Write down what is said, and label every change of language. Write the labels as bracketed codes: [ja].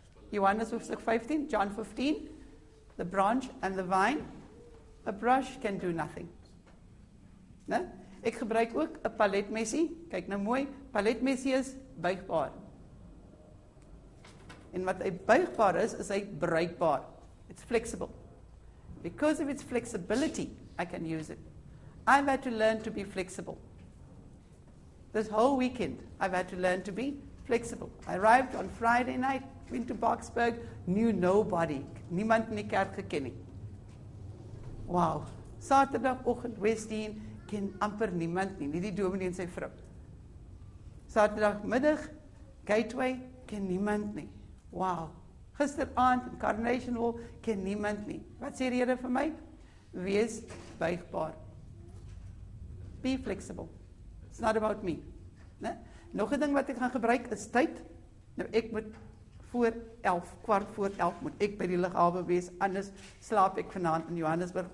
[en] Johannes 15, John 15, the branch and the vine, a brush can do nothing. Ne? [af] Ek gebruik ook 'n paletmesie, kyk nou mooi, paletmesie is buigbaar. En wat hy buigbaar is, is hy bruikbaar. [en] It's flexible. Because of its flexibility, I can use it. I've had to learn to be flexible. This whole weekend, I've had to learn to be flexible. I arrived on Friday night, went to Boksburg, knew nobody. [af] Niemand in die kerk geken nie. Wow. Saterdag oggend Westdean, ken amper niemand nie, nie die dominee en sy vrou. Saterdag middag Gateway, ken niemand nie. Wow. Gisteraand in Carnation Hall, ken niemand nie. Wat sê die Here vir my? Wees buigbaar. [en] Be flexible. It's not about me. Ne? [af] Nog 'n ding wat ek gaan gebruik is tyd. Nou ek moet voor 11, kwart voor 11 moet ek by die lughawe wees, anders slaap ek vanaand in Johannesburg.